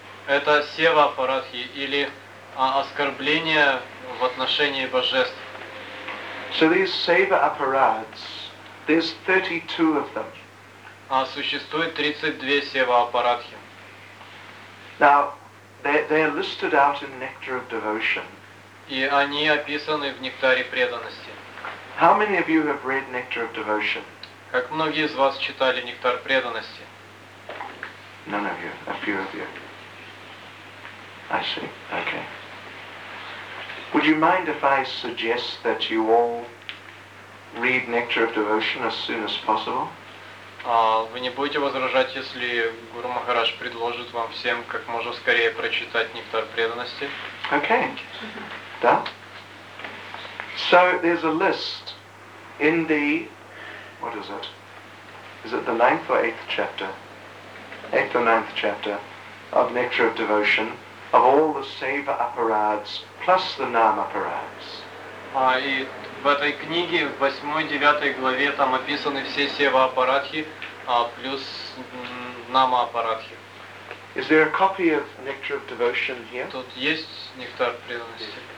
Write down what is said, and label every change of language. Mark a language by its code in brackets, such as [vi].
[ru] Это сева аппаратхи или оскорбление в отношении божеств. [en] So these seva aparats, there's 32 of them. [ru] А существует 32 сева аппаратхи. [en] Now, they are listed out in Nectar of Devotion. [ru] И они описаны в Нектаре преданности. [en] How many of you have read Nectar of Devotion? [ru] Как многие из вас читали Нектар преданности? [en] None of you, a few of you. I see. Okay. Would you mind if I suggest that you all read Nectar of Devotion as soon as possible? [ru] Вы не будете возражать, если Гуру Махарадж предложит вам всем как можно скорее прочитать Нектар преданности? [en] Okay. Да? So there's a list in the, what is it? Is it the 9th or 8th chapter? 8th or 9th chapter of Nectar of Devotion of all the Seva Aparads plus the Nam Aparads. [ru] И в этой книге, в 8-9 главе, там описаны все Сева Апарадхи плюс Нама Апарадхи. [en] Is there a copy of Nectar of Devotion here? [ru] Тут есть Нектар преданности.